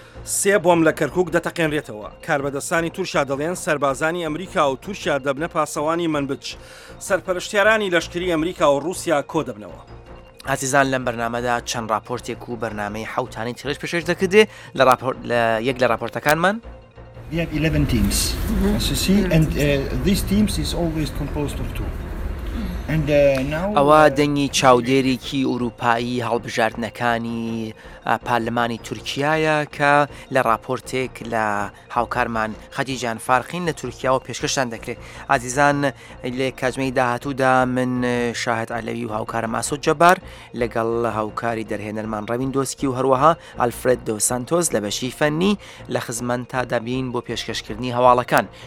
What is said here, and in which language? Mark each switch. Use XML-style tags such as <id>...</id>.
<ckb>سێ بۆم لە کەرکووک دەتەقێنرێتەوە. کاربەدەستانی تورشیا دەڵێن سەربازانی ئەمریکا و تورشیا دەبنە پاسەوانی منبچ. سەرپەرشتیارانی لەشکری ئەمریکا و رووسیا کۆ دەبنەوە. عزیزان لەم بەرنامەدا چەند راپۆرتێک و بەرنامەی حەوتانی تریش پێشکەش دەکردێ لە راپۆرت لە یەک لە راپۆرتەکانمان.</ckb> <en>We have 11 teams, as you see, and these teams is always composed of two. And now</en> <ckb>دەنگی چاودێرێکی ئوروپایی هەڵبژاردنەکانی پارلمانی تورکیایە کە لە راپۆرتێک لە هاوکارمان خەدیجان فارخین لە تورکیا و پێشکەشتان دەکرێت. عزیزان لە کاتژمێری داهاتوودا من شاهد عەلەوی و هاوکارم ئاسۆد جەبار لەگەڵ هاوکاری دەرهێنەرمان ڕەوین دۆسکی و هەروەها ئەلفرێد دۆ سانتۆس لە بەشی فەنی لە خزمەتا دەبین بۆ پێشکەشکردنی هەواڵەکان.</ckb>